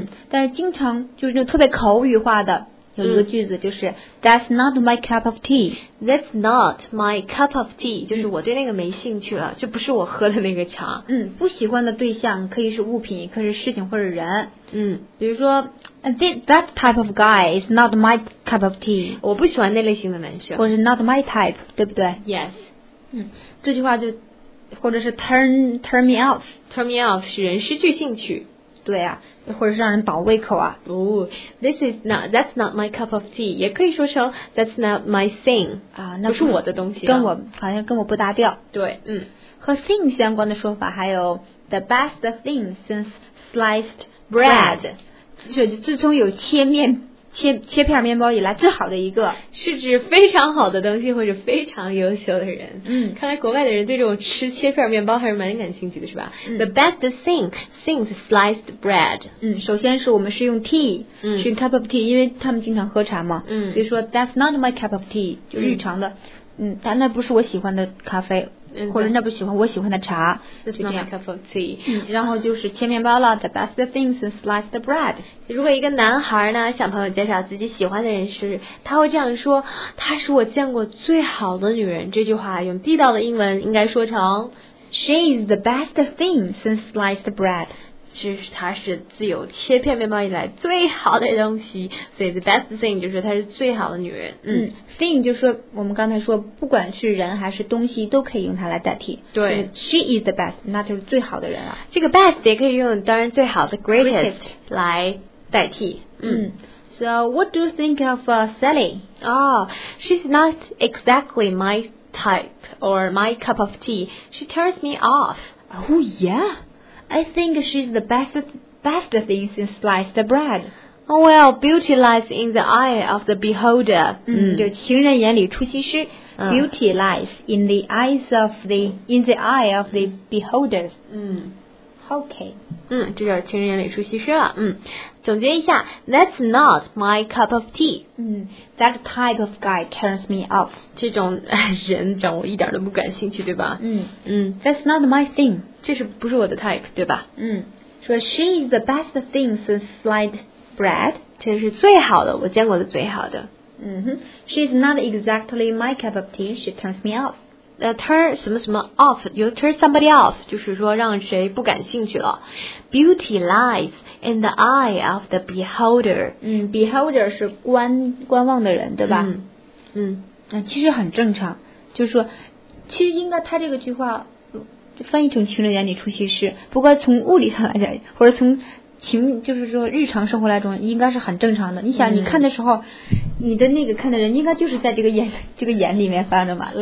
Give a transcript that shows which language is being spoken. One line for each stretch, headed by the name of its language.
Chinese: 但是经常就是那特别口语化的有一个句子就是
English: That's not my cup of tea. That's not my cup of tea.
Chinese: 就是我对那个没兴趣了，这不是我喝的那个茶。不喜欢的对象可以是物品，可以是事情或者人。比如说
English: That type of guy is not my cup of tea.
Chinese: 我不喜欢那类型的男生。或者是
English: not my type,
Chinese: 对不对？
English: Yes.
Chinese: 这句话就或者是
English: turn me off， turn me off
Chinese: 使人失去兴趣，对啊，或者是让人倒胃口啊。
English: That's not my cup of tea，
Chinese: 也可以说成
English: that's not my thing
Chinese: 啊，那不是我的东西，跟我好像跟我不搭调。对，和 thing 相关的说法还有
English: the best thing since sliced bread，
Chinese: 自从有切片面包以来最好的一个，是指非常好的东西或者非常优秀的人。看来国外的人对这种吃切片面包还是蛮感兴趣的，是吧？
English: The best thing since sliced bread。
Chinese: 首先是我们是用 tea， 是 cup of tea， 因为他们经常喝茶嘛。所以说
English: that's not my cup of tea，
Chinese: 就日常的。但那不是我喜欢的咖啡。或者那不喜欢我喜欢的茶。
English: That's not my cup of tea。
Chinese: 然后就是切面包了。
English: The best thing since sliced bread。
Chinese: 如果一个男孩呢向朋友介绍自己喜欢的人时，他会这样说：她是我见过最好的女人。这句话用地道的英文应该说成
English: She is the best thing since sliced bread。
Chinese: 是她是自有切片面包以来最好的东西。所以
English: the best thing
Chinese: 就是她是最好的女人。 thing 就是我们刚才说不管是人还是东西都可以用它来代替。对。
English: She is the best，
Chinese: 那就是最好的人了。这个 best 也可以用当然最好的 greatest 来代替。
English: So what do you think of Sally? Oh, she's not exactly my type or my cup of tea. She turns me off. Oh, yeah. I think she's the best thing since sliced bread. Well, beauty lies in the eye of the beholder.
Chinese: 就情人眼里出西施。
English: Beauty lies in the eyes of the, in the eye of the beholders. Okay.
Chinese: 这就是情人眼里出西施了。总结一下
English: ,that's not my cup of tea. That type of guy turns me off.
Chinese: 这种人让我一点都不感兴趣，对吧？
English: That's not my thing.
Chinese: 这是不是我的 type, 对吧？说
English: she is the best thing since sliced bread.
Chinese: 这是最好的，我见过的最好的。
English: She's not exactly my cup of tea. She turns me off. Turn 什么什么 off, you turn somebody off,
Chinese: 就是说让谁不感兴趣了。
English: Beauty lies in the eye of the beholder.
Chinese: Beholder 是观望的人，对吧？其实很正常，就是说，其实应该他这个句话翻译成情人眼里出西施，不过从物理上来讲，或者从就是说日常生活来中应该是很正常的。你想你看的时候，你的那个看的人应该就是在这个眼里面翻着嘛。